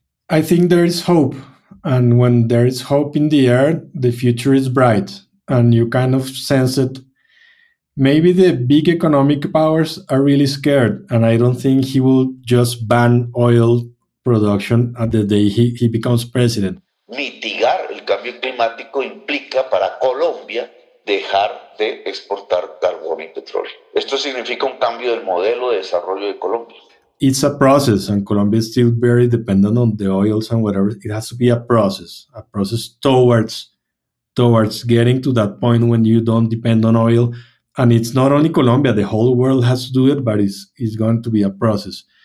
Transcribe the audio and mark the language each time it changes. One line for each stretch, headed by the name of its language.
English: I think there is hope, and when there is hope in the air, the future is bright, and you kind of sense it. Maybe the big economic powers are really scared, and I don't think he will just ban oil production at the day he becomes president.
Spanish: Mitigar el cambio climático implica para Colombia dejar de exportar carbón y petróleo. Esto significa un cambio del modelo de desarrollo de Colombia.
English: It's a process, and Colombia is still very dependent on the oils and whatever. It has to be a process towards getting to that point when you don't depend on oil. And it's not only Colombia, the whole world has to do it, but it's going to be a process.